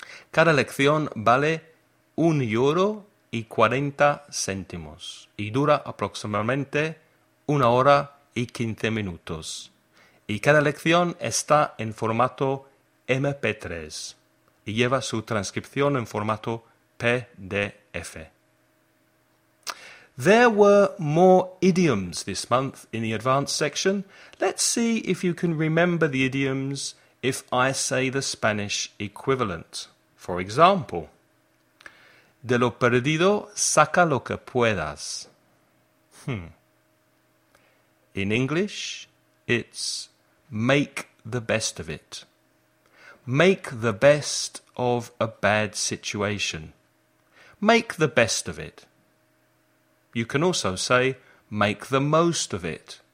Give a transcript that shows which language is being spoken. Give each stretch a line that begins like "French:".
Spanish: Cada lección vale 1 euro y 40 centimos y dura aproximadamente 1 hora y 15 minutos. Y cada lección está en formato MP3 y lleva su transcripción en formato PDF.
English: There were more idioms this month in the advanced section. Let's see if you can remember the idioms if I say the Spanish equivalent. For example,
Spanish: de lo perdido, saca lo que puedas.
English: In English, it's make the best of it. Make the best of a bad situation. Make the best of it. You can also say make the most of it.